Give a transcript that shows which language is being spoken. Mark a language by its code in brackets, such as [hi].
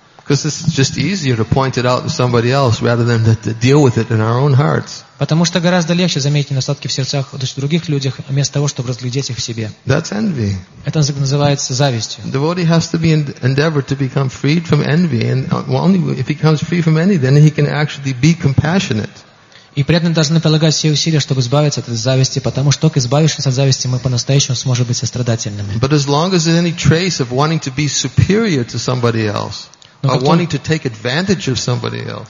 [en] Because it's just easier to point it out to somebody else rather than to deal with it in our own hearts. [ru] Потому что гораздо легче заметить недостатки в сердцах других людей, вместо того, чтобы разглядеть их в себе. [en] That's envy. [ru] Это называется завистью. [en] The devotee has to be endeavor to become freed from envy, and only if he becomes free from envy, then he can actually be compassionate. [ru] И преданные должны прилагать все усилия, чтобы избавиться от этой зависти, потому что только избавившись от зависти, мы по-настоящему сможем быть сострадательными. [en] But as long as there's any trace of wanting to be superior to somebody else. Or wanting to take advantage of somebody else.